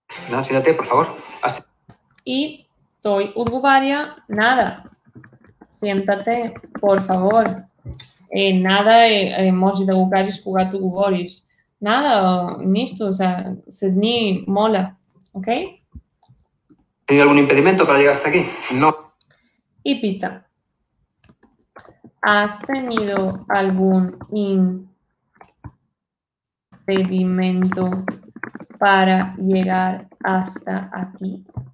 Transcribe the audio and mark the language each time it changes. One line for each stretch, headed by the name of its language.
Spanish: Nada, siéntate, por favor.
Bulgarian: Y той отговаря nada.
Spanish: Siéntate, por favor.
Bulgarian: Nada, може да го кажеш, когато говориш. Nada, нищо, седни, моля.
English: Ok?
Spanish: ¿Tiene algún impedimento para llegar hasta aquí? No.
Bulgarian: Y pita.
Spanish: ¿Has tenido algún impedimento para llegar hasta aquí?